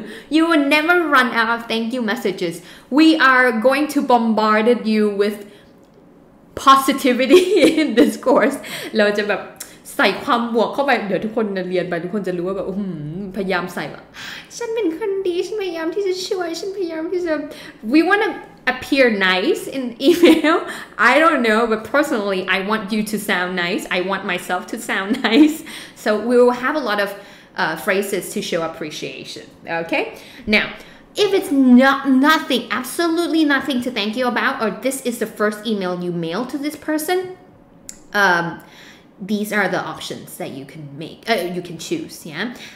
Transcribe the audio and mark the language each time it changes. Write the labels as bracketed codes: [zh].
[en] You will never run out of thank you messages. We are going to bombard you with positivity in this course. [th] เราจะแบบใส่ความบวกเข้าไปเดี๋ยวทุกคนเรียนไปทุกคนจะรู้ว่าแบบพยายามใส่แบบฉันเป็นคนดีฉันพยายามที่จะช่วยฉันพยายามที่จะ [en] We want to appear nice in email. I don't know, but personally, I want you to sound nice. I want myself to sound nice. So we will have a lot of phrases to show appreciation. Okay? Now, if it's nothing, absolutely nothing to thank you about, or this is the first email you mail to this person, these are the options that you can make. You can choose. Yeah.